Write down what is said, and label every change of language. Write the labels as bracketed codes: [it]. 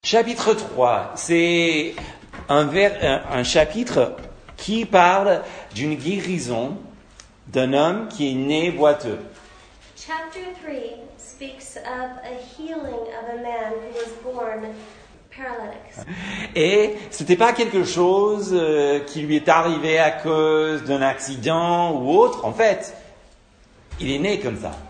[fr] Chapitre 3, c'est un chapitre qui parle d'une guérison d'un homme qui est né boiteux. [en] Chapter 3 speaks of a healing of a man who was born paralytic. [fr] Et ce n'était pas quelque chose qui lui est arrivé à cause d'un accident ou autre. En fait, il est né comme ça.